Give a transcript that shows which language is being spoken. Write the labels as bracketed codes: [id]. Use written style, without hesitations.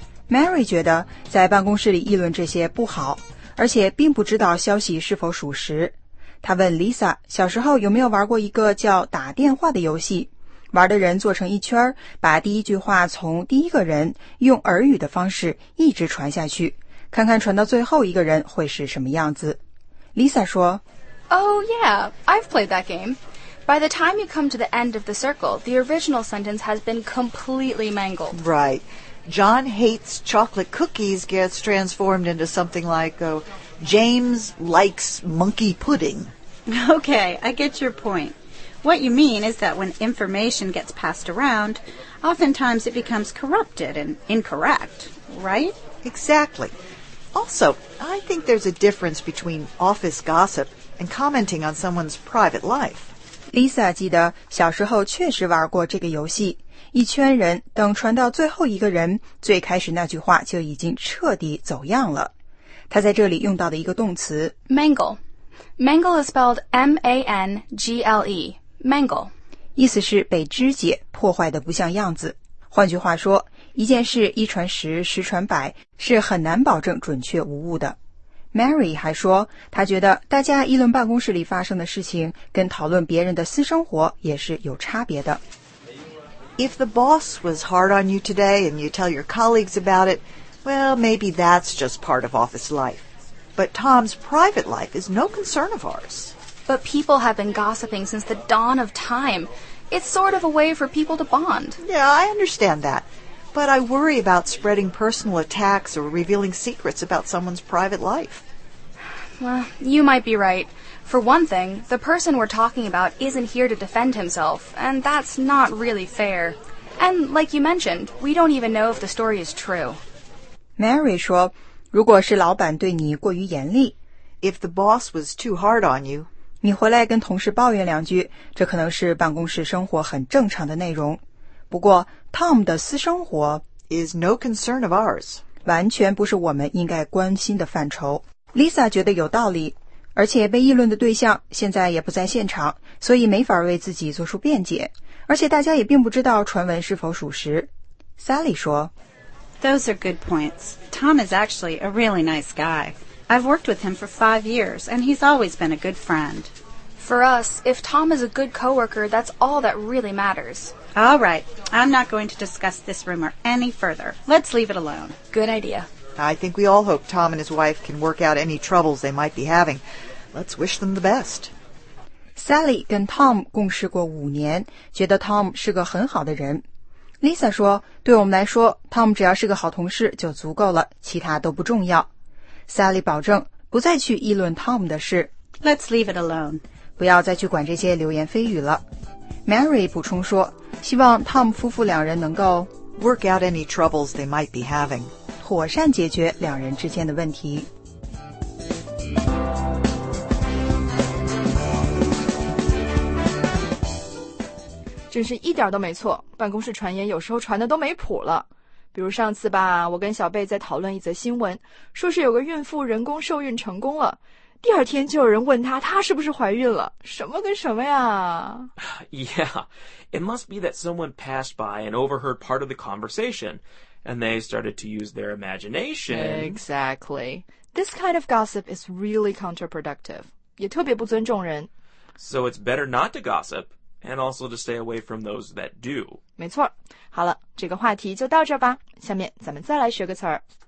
[zh] Mary 觉得在办公室里议论这些不好，而且并不知道消息是否属实。她问 Lisa 小时候有没有玩过一个叫打电话的游戏，玩的人坐成一圈，把第一句话从第一个人用耳语的方式一直传下去，看看传到最后一个人会是什么样子。 Lisa 说 [en] Oh yeah, I've played that game. By the time you come to the end of the circle, the original sentence has been completely mangled. Right. John hates chocolate cookies gets transformed into something like, James likes monkey pudding. Okay, I get your point. What you mean is that when information gets passed around, oftentimes it becomes corrupted and incorrect, right? Exactly. Also, I think there's a difference between office gossip and commenting on someone's private life. [zh] Lisa 记得小时候确实玩过这个游戏，一圈人等传到最后一个人，最开始那句话就已经彻底走样了。他在这里用到的一个动词 [en] Mangle. Mangle is spelled M-A-N-G-L-E. Mangle. [zh] 意思是被肢解，破坏得不像样子。换句话说一件事一传十，十传百，是很难保证准确无误的。 Mary 还说，她觉得大家议论办公室里发生的事情，跟讨论别人的私生活也是有差别的。 [en] If the boss was hard on you today and you tell your colleagues about it, well, maybe that's just part of office life. But Tom's private life is no concern of ours. But people have been gossiping since the dawn of time. It's sort of a way for people to bond. Yeah, I understand that. But I worry about spreading personal attacks or revealing secrets about someone's private life. Well, you might be right. For one thing, the person we're talking about isn't here to defend himself, and that's not really fair. And like you mentioned, we don't even know if the story is true. [zh] Mary 说，如果是老板对你过于严厉， [en] If the boss was too hard on you, [zh] 你回来跟同事抱怨两句，这可能是办公室生活很正常的内容。不过 ,Tom 的私生活 [en] is no concern of ours, [zh] 完全不是我们应该关心的范畴。Lisa 觉得有道理，而且被议论的对象现在也不在现场，所以没法为自己做出辩解，而且大家也并不知道传闻是否属实。 Sally 说 [en] Those are good points. Tom is actually a really nice guy. I've worked with him for 5 years, and he's always been a good friend. For us, if Tom is a good coworker, that's all that really matters. All right, I'm not going to discuss this rumor any further. Let's leave it alone. Good idea. I think we all hope Tom and his wife can work out any troubles they might be having. Let's wish them the best. [zh] Sally 跟 Tom 共事过五年，觉得 Tom 是个很好的人。 Lisa 说，对我们来说 ,Tom 只要是个好同事就足够了，其他都不重要。 Sally 保证不再去议论 Tom 的事。 [en] Let's leave it alone. [zh] 不要再去管这些流言蜚语了。Mary 补充说，希望 Tom 夫妇两人能够 [en] work out any troubles they might be having. [zh] 妥善解决两人之间的问题。真是一点都没错，办公室传言有时候传的都没谱了。比如上次吧，我跟小贝在讨论一则新闻，说是有个孕妇人工受孕成功了，第二天就有人问她，她是不是怀孕了，什么跟什么呀。 [en] Yeah, it must be that someone passed by and overheard part of the conversation. And they started to use their imagination. Exactly. This kind of gossip is really counterproductive. [zh] 也特别不尊重人。 [en] So it's better not to gossip, and also to stay away from those that do. [zh] 没错。好了，这个话题就到这吧。下面咱们再来学个词儿。